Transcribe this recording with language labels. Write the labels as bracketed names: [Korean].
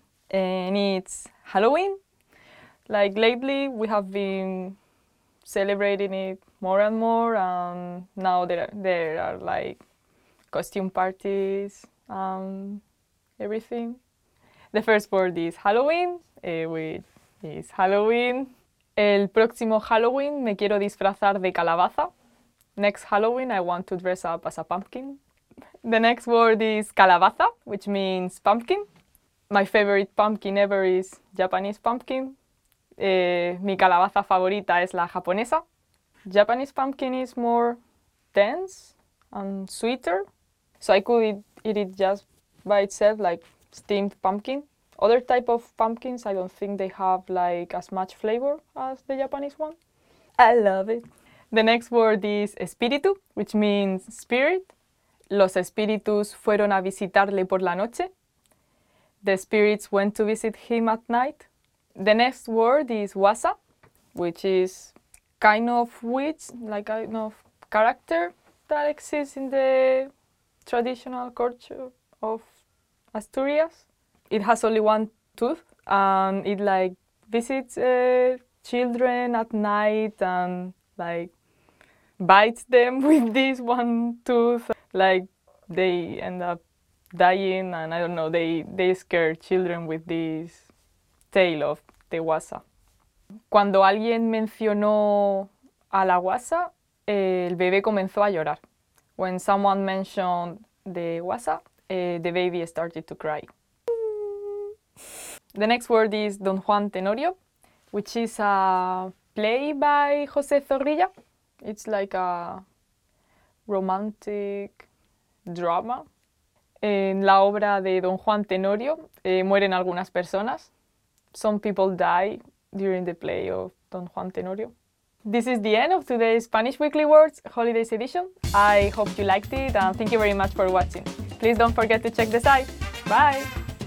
[English] And it's Halloween. Like lately we have been celebrating it more and more, and now there are like costume parties and everything. The first word is Halloween, which is Halloween. [Spanish] El próximo Halloween me quiero disfrazar de calabaza. [English] Next Halloween, I want to dress up as a pumpkin. The next word is calabaza, which means pumpkin. My favorite pumpkin ever is Japanese pumpkin. [Spanish] Mi calabaza favorita es la japonesa. [English] Japanese pumpkin is more dense and sweeter, so I could eat it just by itself, like steamed pumpkin. Other type of pumpkins, I don't think they have like as much flavor as the Japanese one. I love it. The next word is espíritu, which means spirit. [Spanish] Los espíritus fueron a visitarle por la noche. [English] The spirits went to visit him at night. The next word is wasa, which is kind of witch, like kind of character that exists in the traditional culture of Asturias. It has only one tooth and it like visits children at night and like bites them with this one tooth, like they end up dying, and I don't know, they scare children with this tale of the wasa. [Spanish] Cuando alguien mencionó a la wasa, el bebé comenzó a llorar. [English] When someone mentioned the wasa, the baby started to cry. The next word is Don Juan Tenorio, which is a play by José Zorrilla. It's like a romantic drama. [Spanish] En la obra de Don Juan Tenorio, mueren algunas personas. [English] Some people die during the play of Don Juan Tenorio. This is the end of today's Spanish Weekly Words Holidays Edition. I hope you liked it and thank you very much for watching. Please don't forget to check the site. Bye!